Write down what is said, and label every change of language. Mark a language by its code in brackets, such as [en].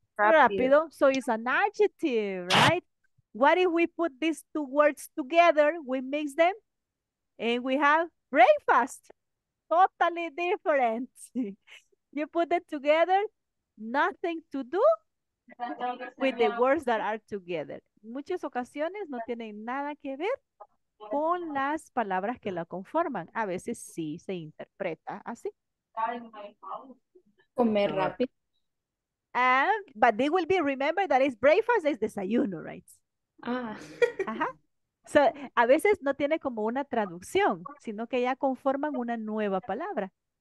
[en] Rápido. So it's an adjective, right? What if we put these two words together, we mix them, and we have breakfast. Totally different. You put them together, nothing to do with the words that are together. [es] Muchas ocasiones no tienen nada que ver con las palabras que la conforman. A veces sí se interpreta así. Comer rápido. [en] But they will be, remember that is breakfast is desayuno, right? Ah. [es] Ajá. So, a veces no tiene como una traducción, sino que ya conforman una nueva palabra.